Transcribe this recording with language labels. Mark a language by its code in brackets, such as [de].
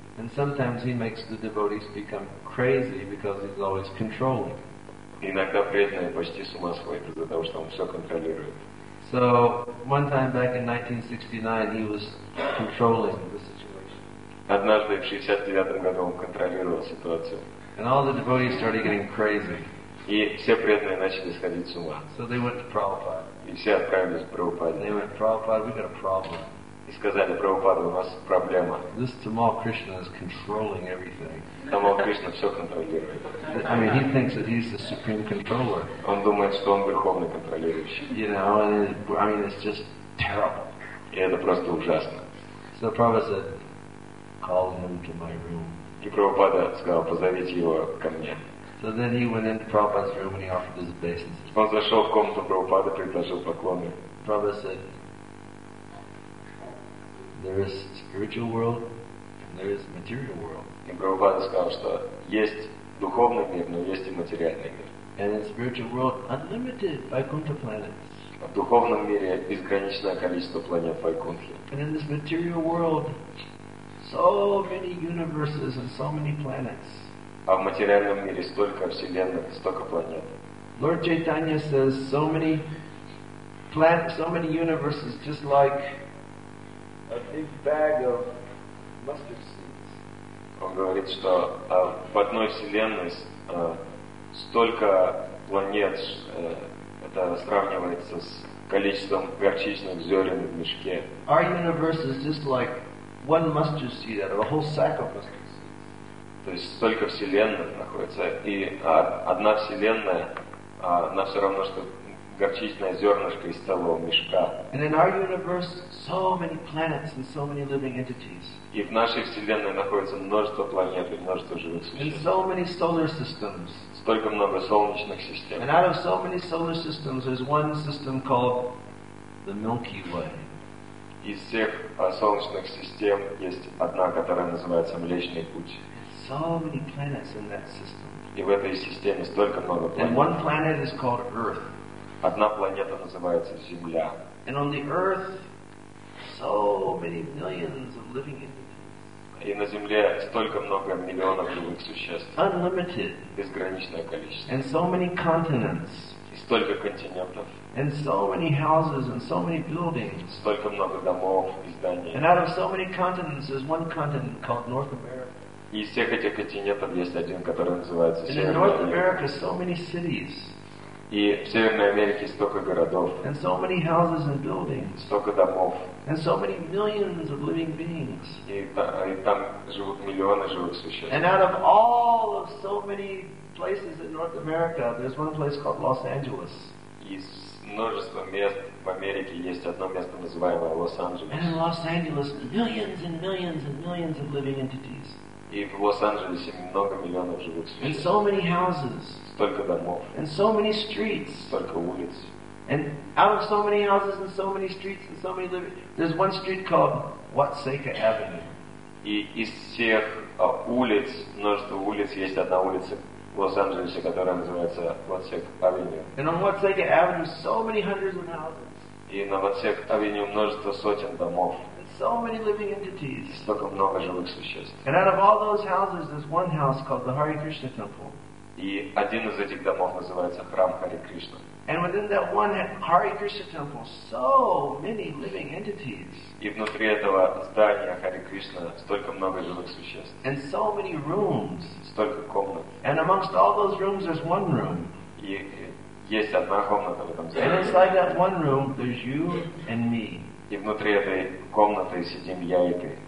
[en] And sometimes he makes the devotees become crazy because he's always controlling. [ru] Иногда преданный почти с ума сходит из-за того, что он все контролирует. [en] So one time back in 1969, he was controlling the situation. [ru] Однажды в 69 году он контролировал ситуацию. [en] And all the devotees started getting crazy. [ru] И все преданные начали сходить с ума. [en] So they went to Prabhupada. [ru] И все отправились к Прабхупаде. [en] They went, Prabhupada, we got a problem. [ru] И сказали, Прабхупада, у нас проблема. [en] This Tamal Krishna is controlling everything. [ru] Tamal Krishna все контролирует. [en] I mean, he thinks that he's the supreme controller. [ru] Он думает, что он верховный контролирующий. [en] You know, and it, I mean, it's just terrible. [ru] И это просто ужасно. [en] So Prabhupada said, call him to my room. [ru] И Прабхупада сказал, позовите его ко мне. [en] So then he went into Prabhupada's room and he offered his obeisances. [ru] Он зашел в комнату Прабхупады, предложил поклоны. [en] Prabhupada said, there is spiritual world and there is material world. [ru] И Прабхупада сказал, что есть духовный мир, но есть и материальный мир. [en] And in spiritual world, unlimited Vaikuntha planets. [ru] В духовном мире безграничное количество планет Вайкунтхи. [en] And in this material world, so many universes and so many planets. [ru] А в материальном мире столько вселенных, столько планет. [en] Lord Chaitanya says so many planets, so many universes, just like a big bag of mustard seeds. [ru] Он говорит, что в одной вселенной столько планет, это сравнивается с количеством горчичных зерен в мешке. [en] Our universe is just like one mustard seed out of a whole sack of mustard seeds. [ru] То есть столько вселенных находится, и одна вселенная, она все равно, что горчичное зернышко из целого мешка. [en] And in our universe, so many planets and so many living entities. [ru] И в нашей вселенной находится множество планет и множество живых существ. [en] And so many solar systems. [ru] Столько много солнечных систем. [en] And out of so many solar systems, there's one system called the Milky Way. [ru] Из всех солнечных систем есть одна, которая называется Млечный Путь. [en] So many planets in that system. [ru] И в этой системе столько много планет. [en] And one planet is called Earth. [ru] Одна планета называется Земля. [en] And on the Earth, so many millions of living entities. [ru] И на Земле столько много миллионов живых существ. [en] Unlimited. [ru] Безграничное количество. [en] And so many continents. [ru] И столько континентов. [en] And so many houses and so many buildings. [ru] Столько много домов и зданий. [en] And out of so many continents, there's one continent called North America. [ru] И из всех этих континентов есть один, который называется Северная [en] Америка. North America, so many cities. [ru] И в Северной Америке столько городов. [en] And so many houses and buildings. [ru] Столько домов. [en] And so many millions of living beings. [ru] И там живут миллионы живых существ. [en] And out of all of so many places in North America, there's one place called Los Angeles. [ru] Из множества мест в Америке есть одно место, называемое Лос-Анджелес. [en] And in Los Angeles, millions and millions and millions of living entities. [ru] И в Лос-Анджелесе много миллионов живых существ. [en] And so many houses. [ru] Столько домов. [en] And so many streets. [ru] Столько улиц. [en] And out of so many houses and so many streets and so many living, there's one street called Watseka Avenue. [ru] И из всех улиц, множество улиц, есть одна улица в Лос-Анджелесе, которая называется Watseka Avenue. [en] And on Watseka Avenue, so many hundreds of houses. [ru] И на Watseka Avenue множество сотен домов. [en] So many living entities. [ru] Столько много живых существ. [en] And out of all those houses, there's one house called the Hare Krishna Temple. [ru] И один из этих домов называется храм Харе Кришна. [en] And within that one Hare Krishna Temple, so many living entities. [ru] И внутри этого здания Харе Кришна столько много живых существ. [en] And so many rooms. [ru] Столько комнат. [en] And amongst all those rooms, there's one room. [ru] И есть одна комната в этом здании. [en] And inside that one room, there's you and me. [ru] И внутри этой комнаты сидим я и ты.